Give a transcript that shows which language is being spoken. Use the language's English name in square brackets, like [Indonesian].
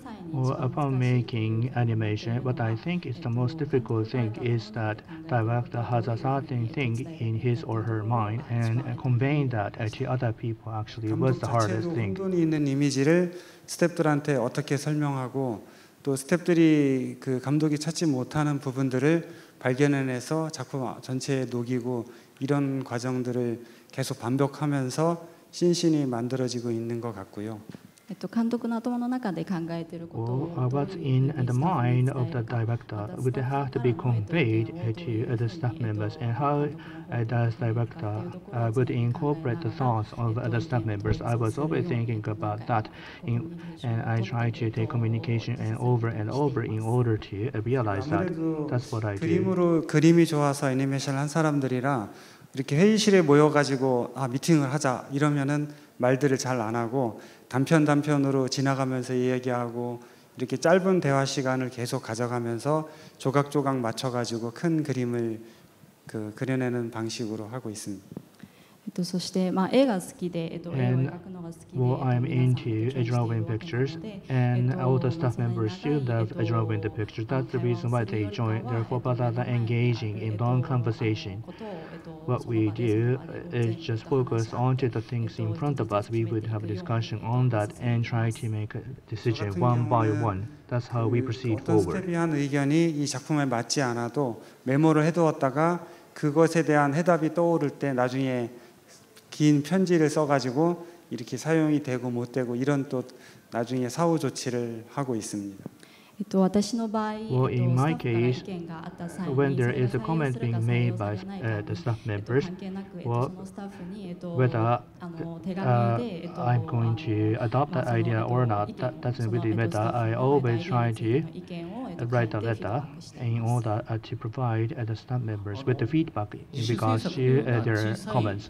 [English] Well, upon making animation, what I think is the most difficult thing is that director has a certain thing in his or her mind, and conveying that to other people actually was the hardest thing. [Korean] 감독 자체로 혼돈이 있는 이미지를 스태프들한테 어떻게 설명하고 또 스태프들이 그 감독이 찾지 못하는 부분들을 발견해내서 작품 전체에 녹이고 이런 과정들을 계속 반복하면서 신신이 만들어지고 있는 것 같고요. [English] What's in the mind of the director would have to be conveyed to the staff members, and how does director would incorporate the thoughts of the staff members? I was always thinking about that, and I try to take communication and over in order to realize that. That's what I do. [Korean] 그림으로 그림이 좋아서 애니메이션 한 사람들이라 이렇게 회의실에 모여가지고 아 미팅을 하자 이러면은 말들을 잘 안 하고. 단편 단편으로 지나가면서 이야기하고 이렇게 짧은 대화 시간을 계속 가져가면서 조각 조각 맞춰가지고 큰 그림을 그 그려내는 방식으로 하고 있습니다. [English] And well, I'm into drawing pictures, and all the staff members still love drawing the pictures. That's the reason why they join. Therefore, rather than engaging in long conversation, what we do is just focus onto the things in front of us. We would have a discussion on that and try to make a decision one by one. That's how we proceed forward. [Korean] 어떤 스태프의 의견이 이 작품에 맞지 않아도 메모를 해두었다가 그것에 대한 해답이 떠오를 때 나중에 긴 편지를 써가지고 이렇게 사용이 되고 못 되고 이런 또 나중에 사후 조치를 하고 있습니다. [English] Well, in my case, when there is a comment being made by the staff members, well, whether I'm going to adopt that idea or not, that doesn't really matter. I always try to write a letter in order to provide the staff members with the feedback in regards to their comments.